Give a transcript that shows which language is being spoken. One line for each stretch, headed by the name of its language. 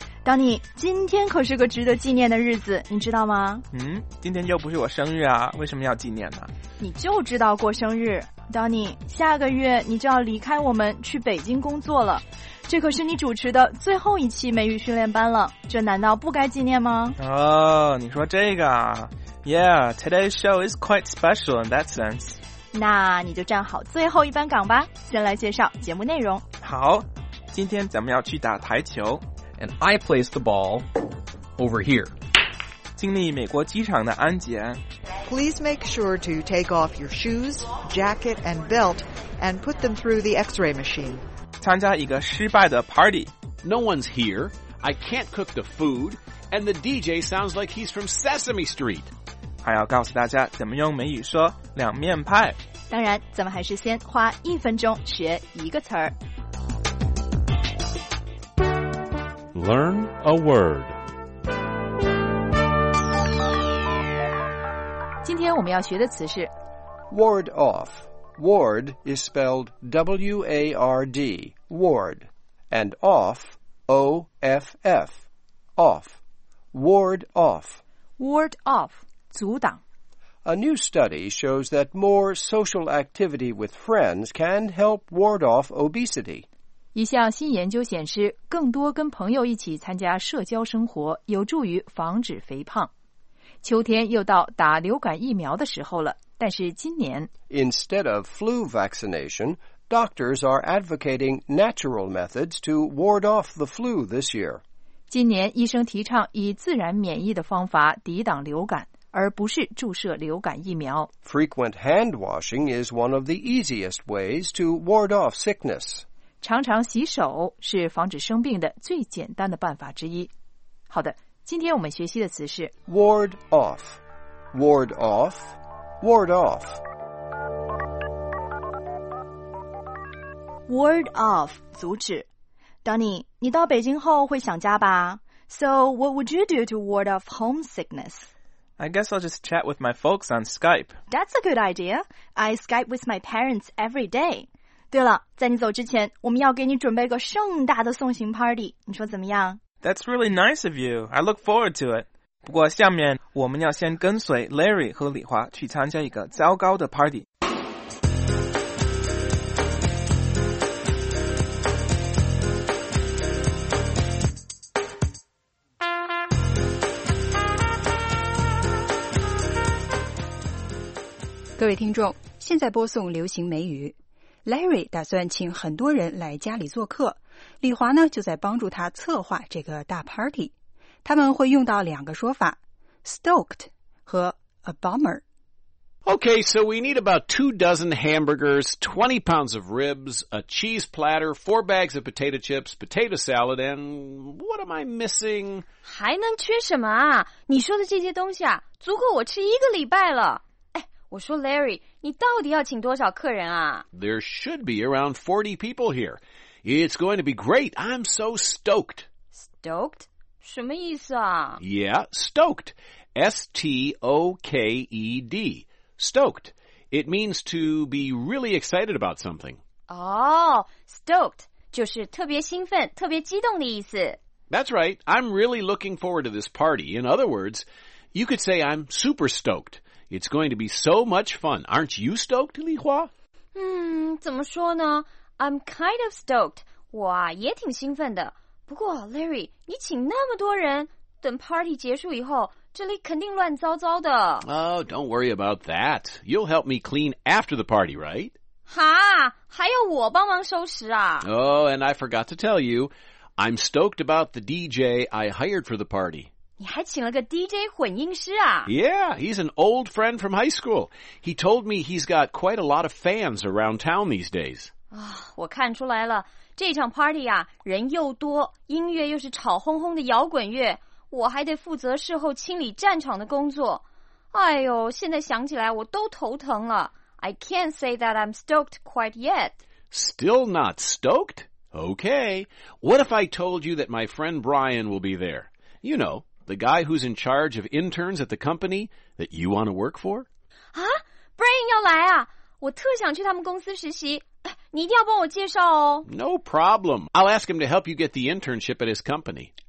Chinese: 当你今天可是个值得纪念的日子，你知道吗？今天又不是我生日啊，为什么要纪念呢？你就知道过生日。当你下个月你就要离开我们去北京工作了，这可是你主持的最后一期美语训练班了，这难道不该纪念吗？哦，你说这个啊。
English: Yeah, today's show is quite special in that sense.
Chinese: 那你就站好最后一班岗吧，先来介绍节目内容。好，今天咱们要去打台球。
English: And I place the ball over here.
Chinese: 经历美国机场的安检。
English: Please make sure to take off your shoes, jacket, and belt, and put them through the x-ray machine.
Chinese: 参加一个失败的 party.
English: No one's here. I can't cook the food. And the DJ sounds like he's from Sesame Street.
Chinese: 还要告诉大家怎么用美语说两面派。当然，咱们还是先花一分钟学一个词儿。
English: Learn a word。
Chinese: 今天我们要学的词是
English: ward off。 Ward is spelled W-A-R-D, ward, and off, O-F-F, off. Ward off. Ward off. 阻挡。 A new study shows that more social activity with friends can help ward off obesity.
Chinese: 一项新研究显示，更多跟朋友一起参加社交生活有助于防止肥胖。秋天又到打流感疫苗的时候了，但是今年
English: Instead of flu vaccination, doctors are advocating natural methods to ward off the flu this year.
Chinese: 今年医生提倡以自然免疫的方法抵挡流感。而不是注射流感疫苗。
English: Frequent hand washing is one of the easiest ways to ward off sickness.
Chinese: 常常洗手是防止生病的最简单的办法之一。好的，今天我们学习的词是
English: ward off, ward off, ward off. Ward off,
Chinese: 阻止。Donny, 你到北京后会想家吧？
English: So what would you do to ward off homesickness? I guess I'll just chat with my folks on Skype. That's a good idea. I Skype with my parents every day.
Chinese: 对了，在你走之前，我们要给你准备个盛大的送行 party， 你说怎么样？
English: That's really nice of you. I look forward to it.
Chinese: 不过下面我们要先跟随 Larry 和李华去参加一个糟糕的 party。各位听众，现在播送流行美语。 Larry 打算请很多人来家里做客，李华呢就在帮助他策划这个大 party。他们会用到两个说法， stoked 和 a bummer。
English: Okay, so we need about 2 dozen hamburgers, 20 pounds of ribs, a cheese platter, 4 bags of potato chips, potato salad, and what am I missing?
Chinese: 还能缺什么啊？你说的这些东西啊，足够我吃一个礼拜了。我说 Larry, 你到底要请多少客人啊?
English: There should be around 40 people here. It's going to be great. I'm so stoked.
Chinese: Stoked? 什么意思啊?
English: Yeah, stoked. S-T-O-K-E-D. Stoked. It means to be really excited about something. Oh, stoked.
Chinese: 就是特别兴奋,特别激动的意思。
English: That's right. I'm really looking forward to this party. In other words, you could say I'm super stoked. It's going to be so much fun. Aren't you stoked, Li Hua?
Chinese: 怎么说呢?
English: I'm kind of stoked.
Chinese: 我也挺兴奋的。不过 Larry, 你请那么多人,等 party 结束以后,这里肯定乱糟糟的。
English: Oh, don't worry about that. You'll help me clean after the party, right?
Chinese: 哈,还要我帮忙收拾啊?
English: Oh, and I forgot to tell you, I'm stoked about the DJ I hired for the party.
Chinese: 你还请了个 DJ 混音师啊?
English: Yeah, he's an old friend from high school. He told me he's got quite a lot of fans around town these days.
Chinese: 我看出来了,这场 party 啊,人又多,音乐又是吵哄哄的摇滚乐,我还得负责事后清理战场的工作。哎呦,现在想起来我都头疼了。
English: I can't say that I'm stoked quite yet. Still not stoked? Okay. What if I told you that my friend Brian will be there? You know... The guy who's in charge of interns at the company that you want to work for?
Chinese: 啊 ,Brian 要来啊。我特想去他们公司实习。你一定要帮我介绍哦。
English: No problem. I'll ask him to help you get the internship at his company.